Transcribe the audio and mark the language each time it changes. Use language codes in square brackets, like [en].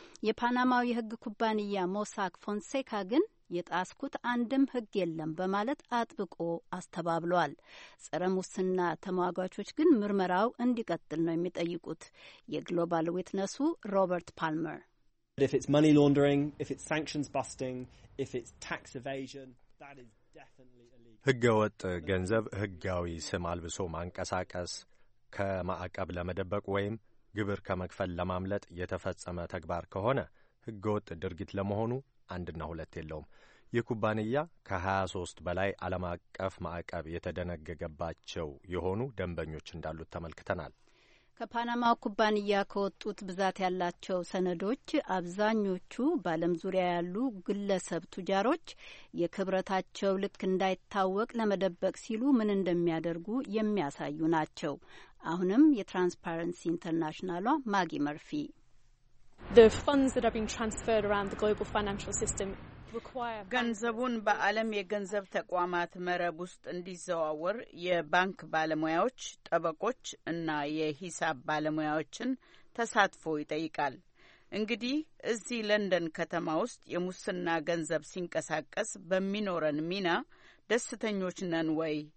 [am] የፓናማው የህግ ኩባንያ ሞሳክ ፎንሴካ ግን የጣስኩት አንድም ህግ የለም በማለት አጥብቆ አስተባብሏል። ጸረ ሙስና ተሟጋቾች ግን ምርመራው እንዲቀጥል ነው የሚጠይቁት። የግሎባል ዊትነሱ ሮበርት ፓልመር [en] If it's money laundering, if it's sanctions busting, if it's tax evasion, that is definitely illegal. [am] ህገወጥ ገንዘብ ህጋዊ ስም አልብሶ ማንቀሳቀስ፣ ከማዕቀብ ለመደበቅ ወይም ግብር ከመክፈል ለማምለጥ የተፈጸመ ተግባር ከሆነ ህገወጥ ድርጊት ለመሆኑ አንድና ሁለት የለውም። የኩባንያ ከ23 በላይ ዓለም አቀፍ ማዕቀብ የተደነገገባቸው የሆኑ ደንበኞች እንዳሉት ተመልክተናል። ከፓናማ ኩባንያ ከወጡት ብዛት ያላቸው ሰነዶች አብዛኞቹ በዓለም ዙሪያ ያሉ ግለሰብ ቱጃሮች የክብረታቸው ልክ እንዳይታወቅ ለመደበቅ ሲሉ ምን እንደሚያደርጉ የሚያሳዩ ናቸው። አሁንም የትራንስፓረንሲ ኢንተርናሽናሏ ማጊ መርፊ [en] The funds that have been transferred around the global financial system require [am] ገንዘቡን በአለም የገንዘብ ተቋማት መረብ ውስጥ እንዲዘዋወር የባንክ ባለሙያዎች፣ ጠበቆች እና የሂሳብ ባለሙያዎችን ተሳትፎ ይጠይቃል። እንግዲህ እዚህ ለንደን ከተማ ውስጥ የሙስና ገንዘብ ሲንቀሳቀስ በሚኖረን ሚና ደስተኞች ነን ወይ?